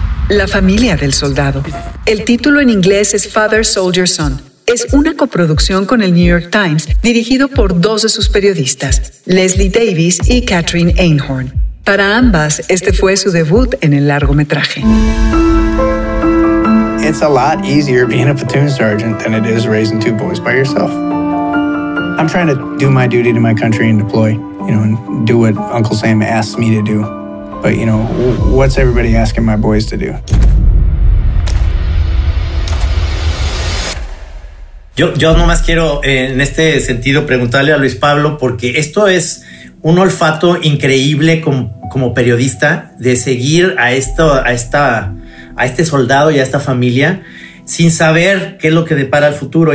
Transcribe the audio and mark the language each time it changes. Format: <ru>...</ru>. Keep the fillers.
<es>La familia del soldado. El título en inglés es Father Soldier Son. Es una coproducción con el New York Times, dirigido por dos de sus periodistas, Leslie Davis y Catherine Einhorn. Para ambas, este fue su debut en el largometraje.</es> <en>It's a lot easier being a platoon sergeant than it is raising two boys by yourself. I'm trying to do my duty to my country and deploy, you know, and do what Uncle Sam asks me to do. But, you know, what's everybody asking my boys to do?</en> <es>Yo, yo nomás quiero eh, en este sentido preguntarle a Luis Pablo, porque esto es un olfato increíble como, como, periodista de seguir a, esto, a, esta, a este soldado y a esta familia sin saber qué es lo que depara el futuro.</es>